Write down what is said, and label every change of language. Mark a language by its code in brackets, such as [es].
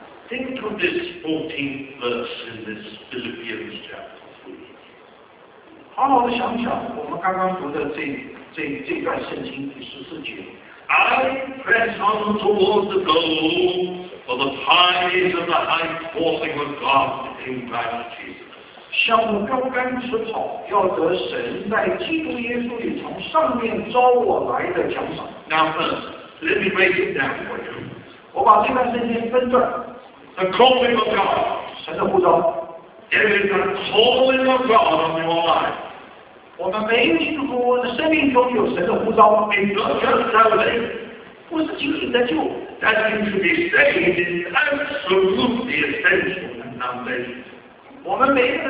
[en] Think of this 14th verse in this Philippians chapter 3. [zh] 好好地想想，我们刚刚读的这段圣经第十四节。 [en] I press on toward the goal for the prize of the high calling of God in Christ Jesus. [zh] 向高杆直跑，要得神在基督耶稣里从上面召我来的奖赏。 [en] Now first, let me break it down for you. [zh] 我把这段圣经分段。 [en] The calling of God. [zh] 神的呼召, [en] there is a calling of God on your life. [zh] 我们每一个基督徒的生命中有神的呼召, [en] it's not just salvation. [zh] 不是仅仅的救, [en] that you should be saved is absolutely essential in salvation.